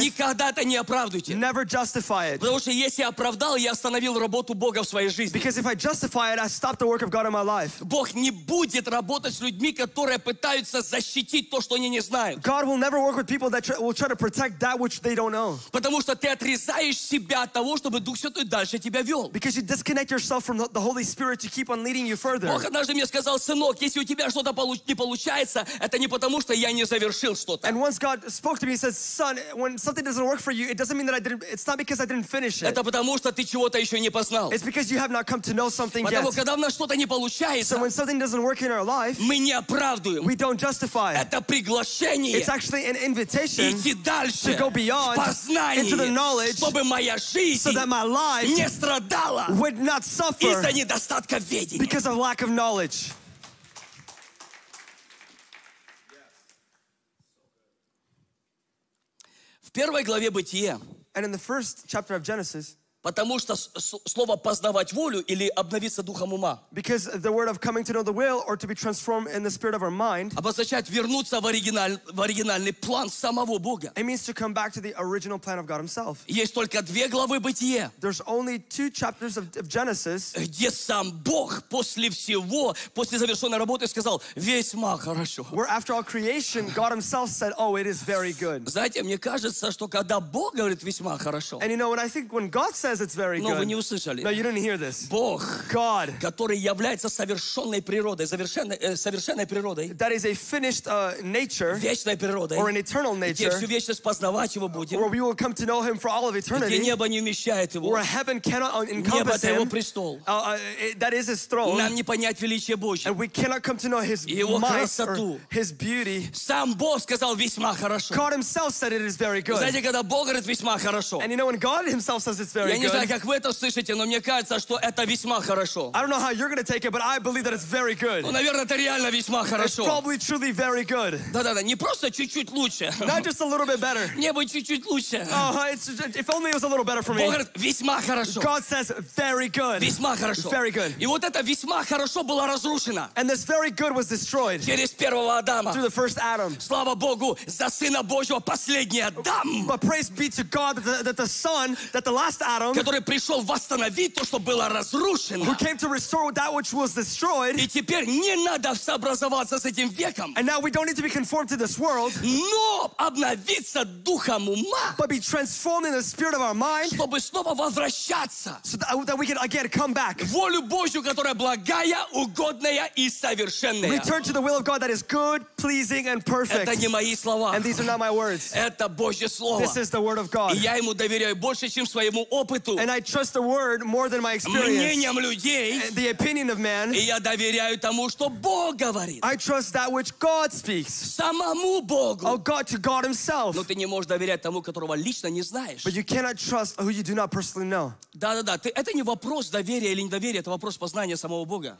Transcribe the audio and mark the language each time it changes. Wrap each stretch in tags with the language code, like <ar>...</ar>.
<ru>никогда это не оправдывайте.</ru> <en>Never justify it.</en> <ru>Потому что если я оправдал, я остановил работу Бога в своей жизни.</ru> <en>Because if I justify it, I stopped the work of God in my life.</en> <ru>Бог не будет работать с людьми, которые пытаются защитить то, что они не знают.</ru> <en>God will never work with people that will try to protect that which they don't know.</en> <ru>Потому что ты отрезаешь себя от того, чтобы Дух Святой дальше тебя вел.</ru> <en>Because you disconnect yourself from the Holy Spirit to keep on leading you further.</en> <ru>Бог однажды мне сказал: сынок, если у тебя что-то не получается, это не потому, что я не завершил что-то.</ru> <en>And once God spoke to me, he said, son, when something doesn't work for you, it doesn't mean that I didn't. It's not because I didn't finish it.</en> <ru>Это потому что ты чего-то еще не познал.</ru> <en>It's because you have not come to know something</en> <ru>потому,</ru> <en>yet.</en> <ru>Когда у нас что-то не получается,</ru> <en>so when something doesn't work in our life,</en> <ru>мы не оправдываем.</ru> <en>We don't justify it.</en> <ru>Это приглашение.</ru> <en>It's actually an invitation.</en> <ru>Идти дальше.</ru> <en>To go beyond.</en> <ru>Познание.</ru> <en>Into the knowledge.</en> <ru>Чтобы моя жизнь.</ru> <en>So that my life.</en> <ru>Не страдала.</ru> <en>Would not suffer.</en> <ru>Из-за недостатка ведения.</ru> <en>Because of lack of knowledge.</en> <ru>В первой главе Бытие.</ru> <en>And in the first chapter of Genesis.</en> <ru>Потому что слово познавать волю или обновиться духом ума.</ru> <en>Because the word of coming to know the will or to be transformed in the spirit of our mind.</en> <ru>Обозначает вернуться в оригинальный план самого Бога.</ru> <en>It means to come back to the original plan of God Himself.</en> <ru>Есть только две главы Бытие.</ru> <en>There's only two chapters of Genesis.</en> <ru>Где сам Бог после всего, после завершенной работы сказал: весьма хорошо.</ru> <en>Where after all creation, God Himself said, oh, it is very good.</en> <ru>Знаете, мне кажется, что когда Бог говорит весьма хорошо.</ru> <en>And you know, when I think when God says it's very good.</en> <ru>Но вы не услышали.</ru> <en>No, you didn't hear this.</en> <ru>Бог,</ru> <en>God,</en> <ru>который является совершенной природой, совершенной природой,</ru> <en>that is a finished nature,</en> <ru>вечной природой,</ru> <en>or an eternal nature,</en> <ru>где всю вечность познавать его будем,</ru> <en>where we will come to know him for all of eternity,</en> <ru>где небо не вмещает его,</ru> <en>where heaven cannot encompass</en> <ru>him, небо это его престол,</ru> <en>that is his throne,</en> <ru>нам не понять величие Божье,</ru> <en>and we cannot come to know his might or his beauty.</en> <ru>Сам Бог сказал весьма хорошо.</ru> <en>God himself said it is very good.</en> <ru>Знаете, когда Бог говорит весьма хорошо,</ru> <en>and you know when God himself says it's</en> <ru>я не знаю, как вы это слышите, но мне кажется, что это весьма хорошо.</ru> <en>I don't know how you're gonna take it, but I believe that it's very good.</en> <ru>Ну, наверное, это реально весьма хорошо.</ru> <en>It's probably truly very good.</en> <ru>Да-да-да, не просто чуть-чуть лучше.</ru> <en>Not just a little bit better.</en> <ru>Мне бы чуть-чуть лучше.</ru> <en>Oh, if only it was a little better for me.</en> <ru>Бог говорит, весьма хорошо.</ru> <en>God says very good.</en> <ru>Весьма хорошо.</ru> <en>Very good.</en> <ru>И вот это весьма хорошо было разрушено.</ru> <en>And this very good was destroyed.</en> <ru>Через первого Адама.</ru> <en>Through the first Adam.</en> <ru>Слава Богу за сына Божьего последний Адам.</ru> <en>But praise be to God that the son, that the last Adam,</en> <ru>который пришел восстановить то, что было разрушено,</ru> <en>who came to restore that which was destroyed,</en> <ru>и теперь не надо сообразоваться с этим веком,</ru> <en>and now we don't need to be conformed to this world,</en> <ru>но обновиться духом ума,</ru> <en>but be transformed in the spirit of our mind,</en> <ru>чтобы снова возвращаться,</ru> <en>so that we can again come back,</en> <ru>волю Божью, которая благая, угодная и совершенная,</ru> <en>return to the will of God that is good, pleasing and perfect.</en> <ru>Это не мои слова,</ru> <en>and these are not my words.</en> <ru>Это Божье слово,</ru> <en>this is the word of God.</en> <ru>И я ему доверяю больше, чем своему опыту.</ru> <en>And I trust the word more than my experience.</en> <ru>Мнением людей.</ru> <en>The opinion of man.</en> <ru>И я доверяю тому, что Бог говорит.</ru> <en>I trust that which God speaks.</en> <ru>Самому Богу.</ru> <en>Oh God, to God himself.</en> <ru>Но ты не можешь доверять тому, которого лично не знаешь.</ru> <en>But you cannot trust who you do not personally know.</en> <ru>Да-да-да. Это не вопрос доверия или недоверия. Это вопрос познания самого Бога.</ru>